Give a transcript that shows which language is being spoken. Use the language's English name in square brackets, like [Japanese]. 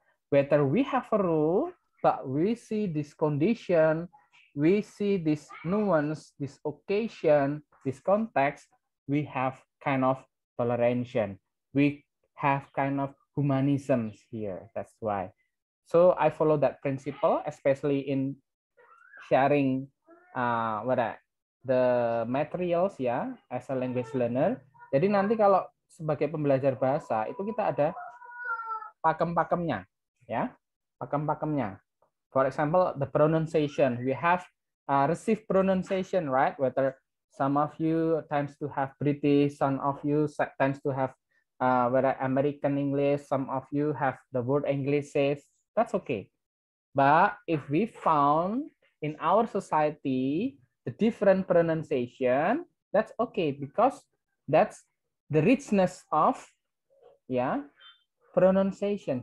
[English] Whether we have a rule, but we see this condition, we see this nuance, this occasion, this context, we have kind of toleration. We have kind of humanism here. That's why. So I follow that principle, especially in sharing the materials, ya, as a language learner. [Indonesian] Jadi nanti kalau sebagai pembelajar bahasa itu kita ada pakem-pakemnya, ya, pakem-pakemnya. [English] For example, the pronunciation. We have received pronunciation, right? Whether some of you tends to have British, some of you tends to have American English, some of you have the word English says, that's okay. But if we found in our society the different pronunciation, that's okay because that's the richness of pronunciation.